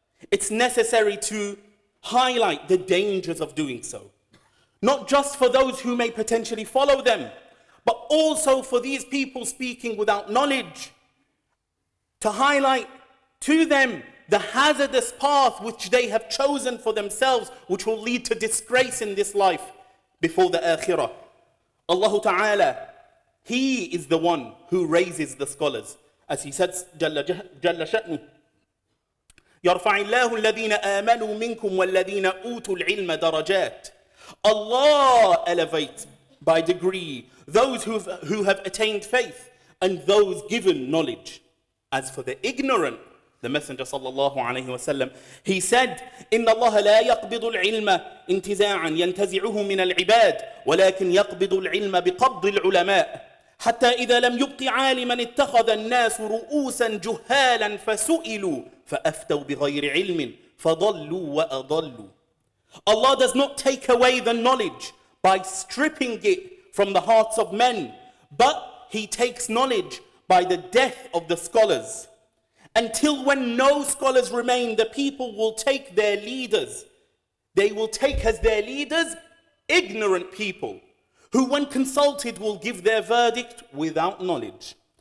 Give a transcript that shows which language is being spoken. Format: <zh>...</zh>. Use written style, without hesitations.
<en>It's necessary to highlight the dangers of doing so, not just for those who may potentially follow them, but also for these people speaking without knowledge, to highlight to them the hazardous path which they have chosen for themselves, which will lead to disgrace in this life before the Akhirah. Allah Ta'ala, He is the one who raises the scholars. As he says, Jalla Sha'nu,</en> <ar>يَرْفَعِ اللَّهُ الَّذِينَ آمَنُوا مِنْكُمْ وَالَّذِينَ أُوتُوا الْعِلْمَ دَرَجَاتٍ.</ar> <en>Allah elevates by degree those who have attained faith and those given knowledge. As for the ignorant, the Messenger sallallahu alayhi wa sallam, he said,</en> <ar>إِنَّ اللَّهَ لَا يَقْبِضُ الْعِلْمَ إِنْتِزَاعًا يَنْتَزِعُهُ مِنَ الْعِبَادِ وَلَكِنْ يَقْبِضُ الْعِلْمَ بِقَبْضِ الْعُلَمَاءِ حَتَّى إِذَا لَمْ يُبْقِ عَالِمًا اتَّخَذَ النَّاسُ رُؤُوسًا جُهَّالًا فَسُئِلُوا فَأَفْتَوْا بِغَيْرِ عِلْمٍ فَضَلُّوا وَأَضَلُّوا.</ar> <en>Allah does not take away the knowledge by stripping it from the hearts of men, but He takes knowledge by the death of the scholars. Until when no scholars remain, the people will take their leaders. They will take as their leaders ignorant people, who when consulted will give their verdict without knowledge.</en>